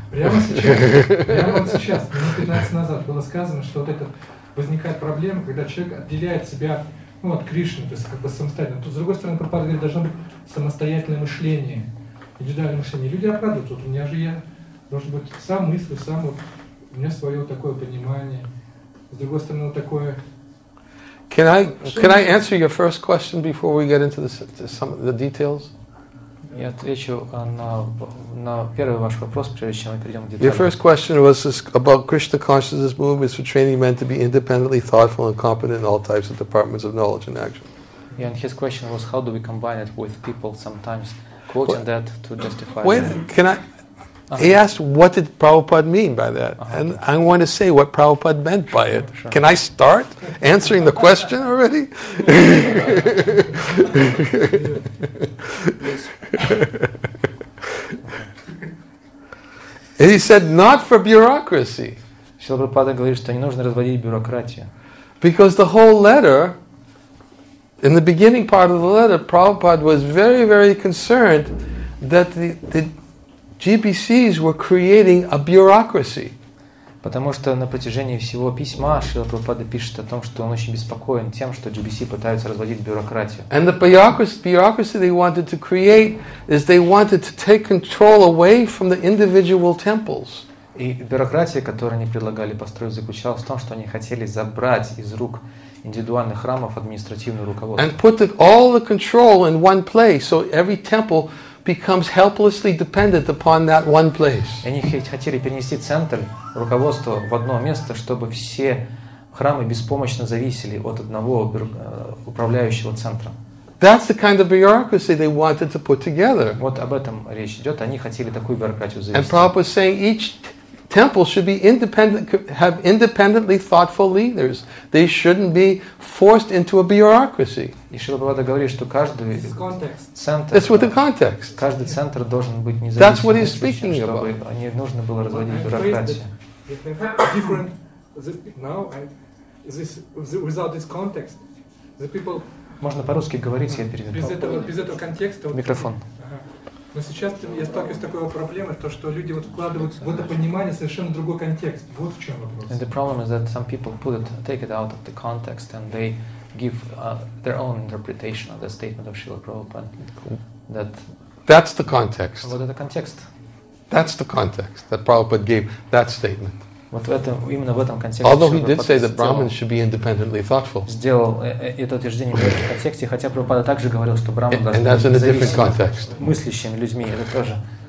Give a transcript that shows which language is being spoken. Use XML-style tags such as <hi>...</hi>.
<ru>Прямо сейчас, минут 15 назад было сказано, что вот это возникает проблема, когда человек отделяет себя от Кришны, то есть как бы самостоятельно. Тут, с другой стороны, Прабхупада говорит, должно быть самостоятельное мышление, индивидуальное мышление. Люди оправдывают, вот у меня же я должен быть сам мыслью, сам вот, у меня свое такое понимание. С другой стороны, вот такое...</ru> <en>Can I answer your first question before we get into some of the details?</en> <ru>Я отвечу на первый ваш вопрос, прежде чем мы перейдем к деталям.</ru> <en>Your first question was about Krishna consciousness movements for training men to be independently thoughtful and competent in all types of departments of knowledge and action. Yeah, and his question was how do we combine it with people sometimes quoting that to justify. He asked, what did Prabhupada mean by that? Uh-huh. And I want to say what Prabhupada meant by it. Sure. Can I start answering the question already? And he said, not for bureaucracy.</en> <ru>Шрила Прабхупада говорит, что не нужно разводить бюрократию.</ru> <en>Because the whole letter, in the beginning part of the letter, Prabhupada was very, very concerned that the GBCs were creating a bureaucracy.</en> <ru>Потому что на протяжении всего письма Шрила Прабхупада пишет о том, что он очень беспокоен тем, что GBC пытаются разводить бюрократию.</ru> <en>And the bureaucracy they wanted to create is they wanted to take control away from the individual temples.</en> <ru>И бюрократия, которую они предлагали построить, заключалась в том, что они хотели забрать из рук индивидуальных храмов административное руководство.</ru> <en>And put all the control in one place, so every temple becomes helplessly dependent upon that one place.</en> <ru>Они хотели перенести центр руководства в одно место, чтобы все храмы беспомощно зависели от одного управляющего центра.</ru> <en>That's the kind of bureaucracy they wanted to put together.</en> <ru>Вот об этом речь идет. Они хотели такую бюрократию завести.</ru> <en>And Prabhupada was saying each temple should be independent, have independently thoughtful leaders. They shouldn't be forced into a bureaucracy.</en> <ru>И Шрила Прабхупада говорит, что каждый центр,</ru> <en>it's with the context.</en> <ru>Каждый центр должен быть независимым.</ru> <en>That's what he's speaking about.</en> <ru>Чтобы не нужно было разводить бюрократию.</ru> <en>If they have different, now without this context, the people.</en> <ru>Можно по-русски говорить, я перевожу. Без этого контекста. Микрофон. Но сейчас я сталкиваюсь с такой проблемой, то что люди вот вкладывают в это понимание совершенно другой контекст. Вот в чем вопрос.</ru> <en>And the problem is that some people take it out of the context and they give their own interpretation of the statement of Srila Prabhupada. That's the context.</en> <ru>Вот это контекст.</ru> <en>That's the context that Prabhupada gave that statement.</en> <ru>Вот в этом, именно в этом контексте.</ru> <en>Although he did say that Brahmins should be independently thoughtful.</en> <ru>Сделал это утверждение в этом контексте, хотя Прабхупада также говорил, что Брахманы должны быть независимыми.</ru> <en>And that's in a different context.</en> <ru>Мыслящими людьми, это тоже.</ru>